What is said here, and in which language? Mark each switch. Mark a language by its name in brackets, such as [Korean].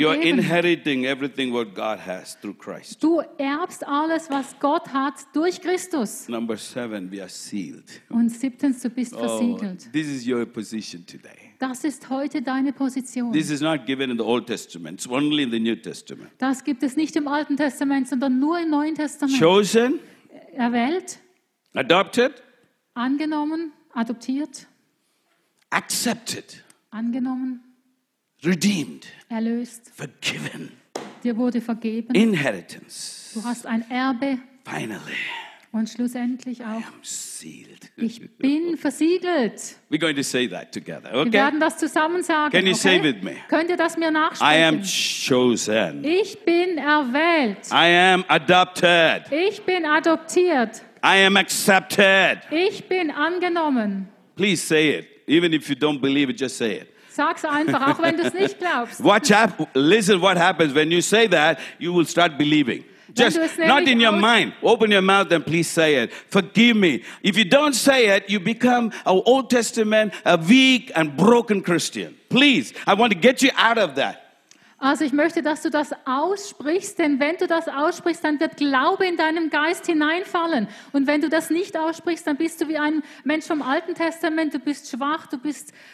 [English] You are inheriting everything what God has through Christ. [German] Du erbst alles, was Gott hat, durch Christus. [English] Number seven, we are sealed. [German] Und siebtens, du bist versiegelt. [English] This is your position today. [German] Das ist heute deine Position. [English] This is not given in the Old Testament. It's only in the New Testament. [German] Das gibt es nicht im Alten Testament, sondern nur im Neuen Testament. [English] Chosen. [German] Erwählt. [English] Adopted. [German] Angenommen. Adoptiert. [English] Accepted. [German] Angenommen. [English] Redeemed. [German] Erlöst. [English] Forgiven. [German] Dir wurde vergeben. [English] Inheritance. [German] Du hast ein Erbe. [English] Finally. [German] Und schlussendlich auch. [English] I am sealed. [German] Ich bin versiegelt. [English] We're going to say that together. Okay? [German] Wir werden das zusammen sagen. [English] Can you okay? say with me? [German] Könnt ihr das mir nachsprechen? [English] I am chosen. [German] Ich bin erwählt. [English] I am adopted. [German] Ich bin adoptiert. [English] I am accepted. [German] Ich bin angenommen. [English] Please say it. Even if you don't believe it, just say it. [German] Sag's einfach, auch wenn du's nicht glaubst. [English] Watch out. Listen what happens when you say that, you will start believing. Just not in your mind. Open your mouth and please say it. Forgive me. If you don't say it, you become an Old Testament, a weak and broken Christian. Please, I want to get you out of that. [German] Also ich möchte, dass du das aussprichst, denn wenn du das aussprichst, dann wird Glaube in deinem Geist hineinfallen. Und wenn du das nicht aussprichst, dann bist du wie ein Mensch vom Alten Testament, du bist schwach, du bist,